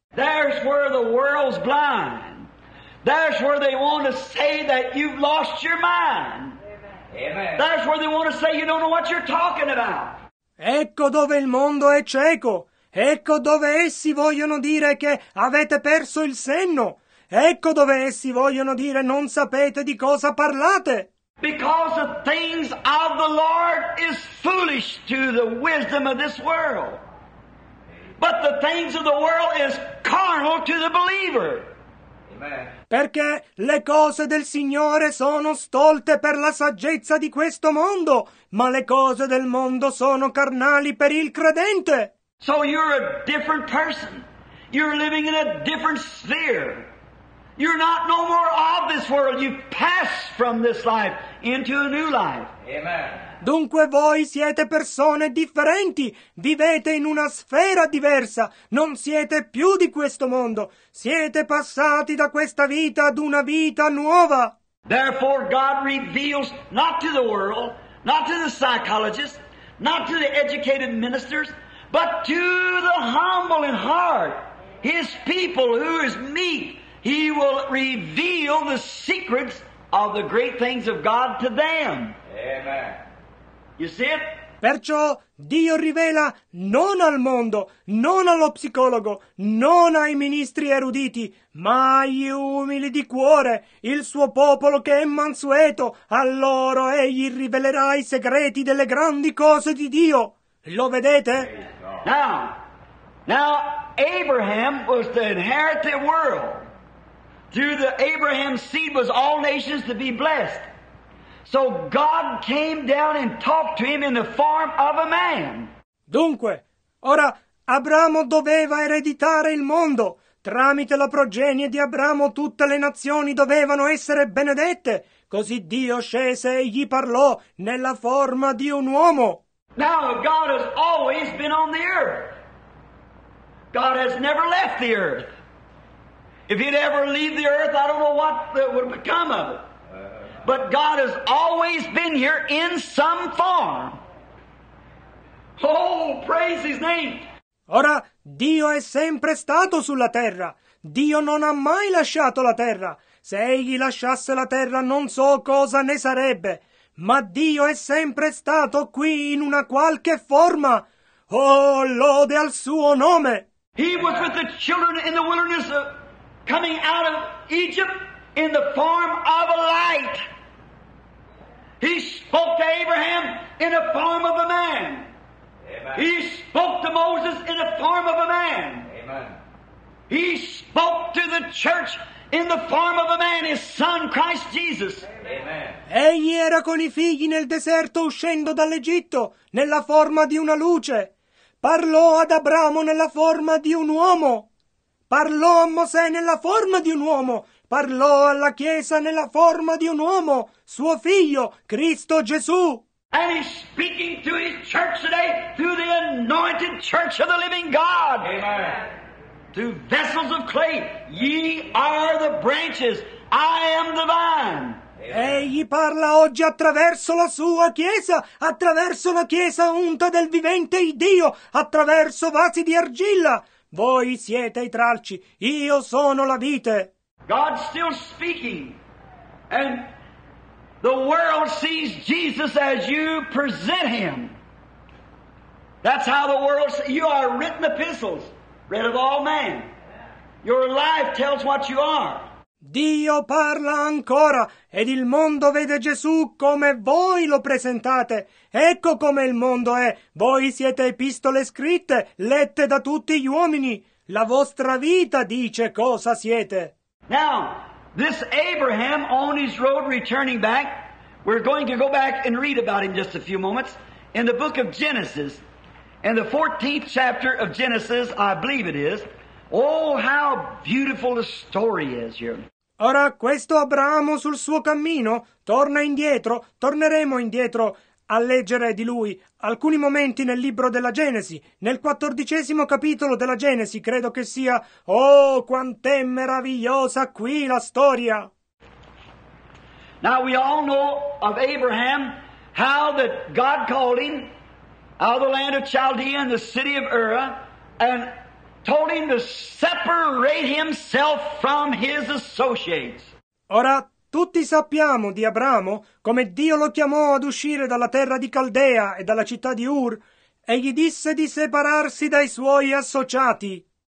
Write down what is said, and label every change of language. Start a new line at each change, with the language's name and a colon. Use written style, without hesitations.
English: There's where the world's blind. There's where they want to say that you've lost your mind. Amen. There's where they want to say you don't know what you're talking about.
Italian: Ecco dove il mondo è cieco. Ecco dove essi vogliono dire che avete perso il senno. Ecco dove essi vogliono dire non sapete di cosa parlate.
English: Because the things of the Lord is foolish to the wisdom of this world. But the things of the world is carnal to the believer.
Italian: Perché le cose del Signore sono stolte per la saggezza di questo mondo, ma le cose del mondo sono carnali per il credente.
English: So you're a different person. You're living in a different sphere. You're not no more of this world. You've passed from this life into a new life. Amen.
Italian: Dunque voi siete persone differenti, vivete in una sfera diversa, non siete più di questo mondo, siete passati da questa vita ad una vita nuova.
English: Therefore God reveals not to the world, not to the psychologists, not to the educated ministers, but to the humble in heart, his people who is meek, he will reveal the secrets of the great things of God to them. Amen. You see it?
Italian: Perciò Dio rivela non al mondo, non allo psicologo, non ai ministri eruditi, ma agli umili di cuore, il suo popolo che è mansueto, a loro egli rivelerà i segreti delle grandi cose di Dio. Lo vedete?
English: Now Abraham was to inherit the world. Through the Abraham's seed was all nations to be blessed. So God came down and talked to him in the form of a man.
Italian: Dunque, ora Abramo doveva ereditare il mondo. Tramite la progenie di Abramo tutte le nazioni dovevano essere benedette. Così Dio scese e gli parlò nella forma di un uomo.
English: Now God has always been on the earth. God has never left the earth. If he'd ever leave the earth, I don't know what would become of it. But God has always been here in some form. Oh, praise his name.
Italian: Ora, Dio è sempre stato sulla terra. Dio non ha mai lasciato la terra. Se egli lasciasse la terra, non so cosa ne sarebbe. Ma Dio è sempre stato qui in una qualche forma. Oh, lode al suo nome.
English: He was with the children in the wilderness, coming out of Egypt in the form of a light. He spoke to Abraham in the form of a man. Amen. He spoke to Moses in the form of a man. Amen. He spoke to the church in the form of a man, his son Christ Jesus. Amen.
Italian: Egli era con i figli nel deserto uscendo dall'Egitto, nella forma di una luce. Parlò ad Abramo nella forma di un uomo. Parlò a Mosè nella forma di un uomo. Parlò alla Chiesa nella forma di un uomo, suo figlio, Cristo Gesù.
English: And he's speaking to his church today through the anointed church of the living God. Amen. To vessels of clay, ye are the branches, I am the vine.
Italian: Egli parla oggi attraverso la sua Chiesa, attraverso la Chiesa unta del vivente Dio, attraverso vasi di argilla. Voi siete i tralci, io sono la vite.
English: God's still speaking, and the world sees Jesus as you present him. That's how the world sees. You are written epistles, read of all men. Your life tells what you are.
Italian: Dio parla ancora, ed il mondo vede Gesù come voi lo presentate. Ecco come il mondo è. Voi siete epistole scritte, lette da tutti gli uomini. La vostra vita dice cosa siete.
English: Now, this Abraham on his road returning back We're going to go back and read about him just a few moments in the book of Genesis. In the 14th chapter of Genesis, I believe it is. Oh, how beautiful the story is here.
Italian: Ora, questo Abramo sul suo cammino torna indietro. Torneremo indietro a leggere di lui alcuni momenti nel libro della Genesi. Nel 14° capitolo della Genesi, credo che sia. Oh, quant'è meravigliosa qui la storia!
English: Now we all know of Abraham, how that God called him out of the land of Chaldea and the city of Ur, and told him to separate himself from his associates.
Italian: Ora, tutti sappiamo di Abramo come Dio lo chiamò ad uscire dalla terra di Caldea e dalla città di Ur, e gli disse di separarsi dai suoi associati.